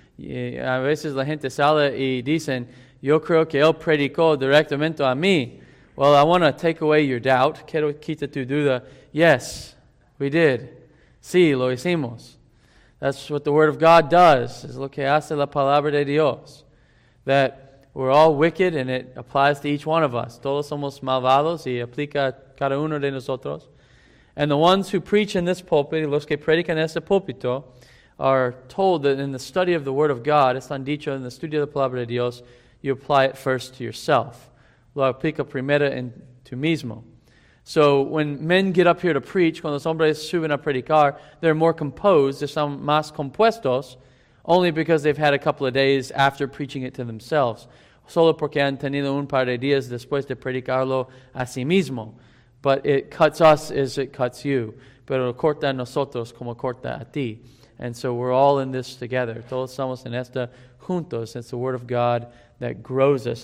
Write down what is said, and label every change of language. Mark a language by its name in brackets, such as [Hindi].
[Spanish] A veces la gente sale y dicen, yo creo que él predicó directamente a mí. [English] Well, I want to take away your doubt. [Spanish] Quiero quitar tu duda. [English] Yes, we did. [Spanish] Sí, lo hicimos. [English] That's what the Word of God does, [Spanish] es lo que hace la Palabra de Dios. [English] That we're all wicked and it applies to each one of us. [Spanish] Todos somos malvados y aplica a cada uno de nosotros. [English] And the ones who preach in this pulpit, [Spanish] los que predican este púlpito, [English] are told that in the study of the Word of God, [Spanish] están dicho en el estudio de la Palabra de Dios, [English] you apply it first to yourself. [Spanish] Lo aplica primero en tú mismo. [English] So when men get up here to preach, [Spanish] cuando los hombres suben a predicar, [English] they're more composed, they're some [Spanish] más compuestos, [English] only because they've had a couple of days after preaching it to themselves. [Spanish] Solo porque han tenido un par de días después de predicarlo a sí mismo. [English] But it cuts us as it cuts you. [Spanish] Pero corta a nosotros como corta a ti. [English] And so we're all in this together. [Spanish] Todos estamos en esta juntos. [English] It's the word of God that grows us.